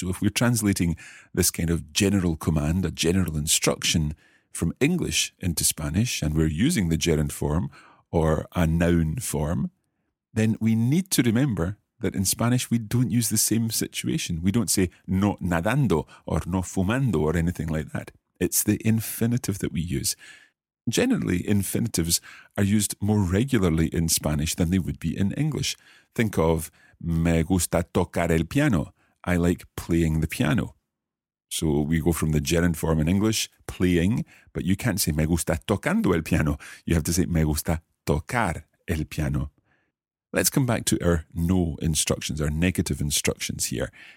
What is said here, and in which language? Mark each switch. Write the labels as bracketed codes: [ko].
[en] So if we're translating this kind of general command, a general instruction from English into Spanish, and we're using the gerund form or a noun form, then we need to remember that in Spanish we don't use the same situation. We don't say [es] no nadando [en] or [es] no fumando [en] or anything like that. It's the infinitive that we use. Generally, infinitives are used more regularly in Spanish than they would be in English. Think of [es] me gusta tocar el piano. [en] I like playing the piano. So we go from the gerund form in English, playing, but you can't say [es] me gusta tocando el piano. [en] You have to say [es] me gusta tocar el piano. [en] Let's come back to our no instructions, our negative instructions here.